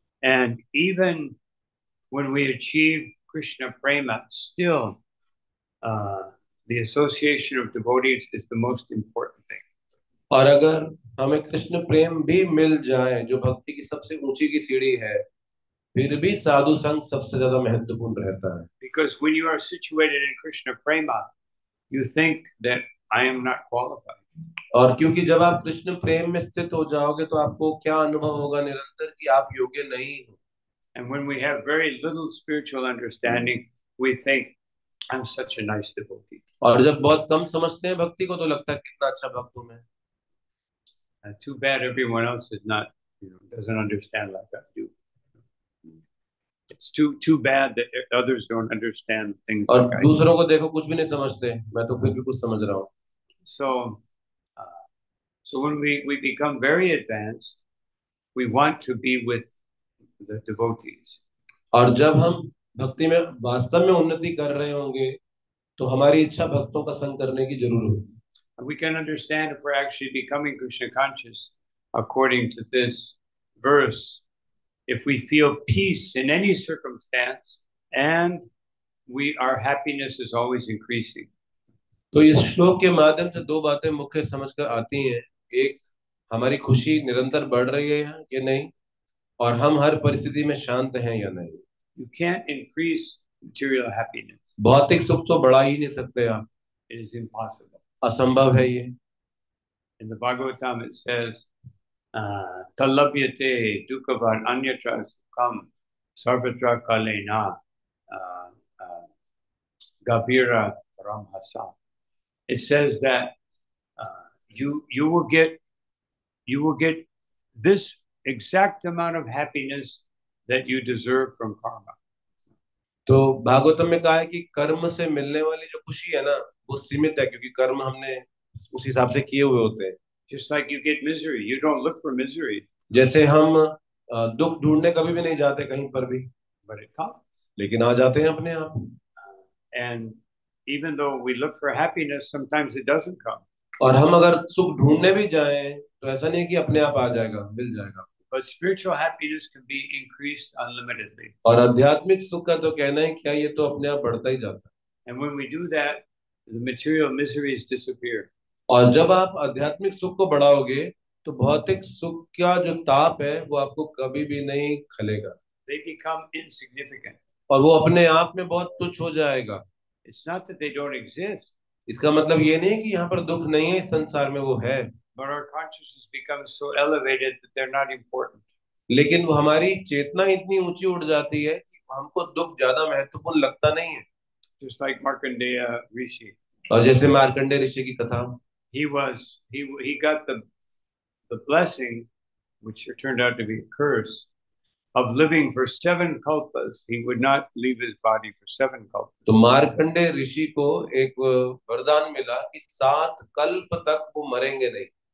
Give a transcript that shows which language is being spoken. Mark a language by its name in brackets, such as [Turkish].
[English] And even when we achieve Krishna prema, still the association of devotees is the most important thing. [Hindi] और अगर हमें कृष्ण प्रेम भी मिल जाए जो भक्ति की सबसे ऊंची की सीढ़ी है फिर भी साधु संघ सबसे ज्यादा महत्वपूर्ण रहता है. [English] Because when you are situated in Krishna prema, you think that I am not qualified. [Hindi] और क्योंकि जब आप कृष्ण प्रेम में स्थित हो जाओगे तो आपको क्या अनुभव होगा निरंतर कि आप योग्य नहीं हो. [English] And when we have very little spiritual understanding, we think I'm such a nice devotee. [Hindi] और जब बहुत कम समझते हैं भक्ति को तो लगता है कितना अच्छा भक्त हूं मैं. [English] Too bad everyone else is not, doesn't understand like I do. It's too bad that others don't understand things. [Hindi] और दूसरों को देखो कुछ भी नहीं समझते. मैं तो फिर भी कुछ समझ रहा हूँ. [English] So when we become very advanced, we want to be with the devotees. [Hindi] और जब हम भक्ति में वास्तव में उन्नति कर रहे होंगे, तो हमारी इच्छा भक्तों का संग करने की जरूर होगी. [English] We can understand if we're actually becoming Krishna conscious according to this verse, if we feel peace in any circumstance and we our happiness is always increasing. [Hindi] तो इस श्लोक के माध्यम से दो बातें मुख्य समझ कर आती हैं. एक, हमारी खुशी निरंतर बढ़ रही है या नहीं, और हम हर परिस्थिति में शांत हैं या नहीं. [English] You can't increase material happiness. [Hindi] भौतिक सुख तो बढ़ा ही नहीं सकते आप. [English] It is impossible. [Hindi] असंभव है ये. [English] In the Bhagavatam it says, [Sanskrit] talabhyate dukavan anyatra sukham sarvatra kalena gabhira paramhasa. [English] It says that you will get this exact amount of happiness that you deserve from karma. [Hindi] तो भागवतम में कहा है कि कर्म से मिलने वाली जो खुशी है ना वो सीमित है क्योंकि कर्म हमने उस हिसाब से किए हुए होते हैं. [English] Just like you get misery, you don't look for misery. [Hindi] जैसे हम दुख ढूंढने कभी भी नहीं जाते कहीं पर भी. [English] But it comes. [Hindi] लेकिन आ जाते हैं अपने आप. [English] And even though we look for happiness, sometimes it doesn't come. [Hindi] और हम अगर सुख ढूंढने भी जाएं तो ऐसा नहीं है कि अपने आप आ जाएगा, मिल जाएगा. [English] But spiritual happiness can be increased unlimitedly. [Hindi] और आध्यात्मिक सुख का तो कहना है क्या, ये तो अपने आप बढ़ता ही जाता है. [English] And when we do that, the material miseries disappear. [Hindi] और जब आप आध्यात्मिक सुख को बढ़ाओगे तो भौतिक सुख का जो ताप है वो आपको कभी भी नहीं खलेगा. [English] They become insignificant. [Hindi] और वो अपने आप में बहुत तुच्छ हो जाएगा. [English] It's not that they don't exist. [Hindi] इसका मतलब ये नहीं कि यहाँ पर दुख नहीं है, संसार में वो है. [English] But our consciousness becomes so elevated that they're not important. [Hindi] लेकिन वो हमारी चेतना इतनी ऊंची उठ जाती है कि हमको दुख ज्यादा महत्वपूर्ण लगता नहीं है. [English] Just like Markandeya Rishi. [Hindi] और जैसे मार्कंडेय ऋषि की कथा. [English] He got the blessing, which turned out to be a curse, of living for 7 kalpas. He would not leave his body for 7 kalpas. [Hindi] तो मार्कंडेय ऋषि को एक वरदान मिला कि 7 कल्प तक वो मरेंगे नहीं.